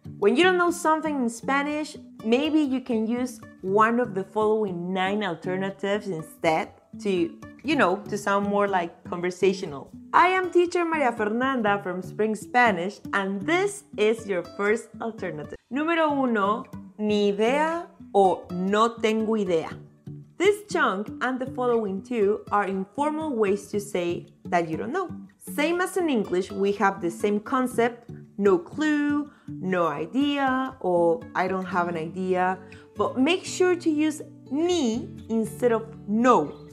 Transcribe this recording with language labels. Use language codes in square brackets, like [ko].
[en] When you don't know something in Spanish, maybe you can use one of the following 9 alternatives instead to sound more like conversational. I am teacher Maria Fernanda from Spring Spanish, and this is your first alternative. [es] Número uno, ni idea o no tengo idea. [en] This chunk and the following 2 are informal ways to say that you don't know. Same as in English, we have the same concept, no clue, no idea, or I don't have an idea. But make sure to use ni instead of no.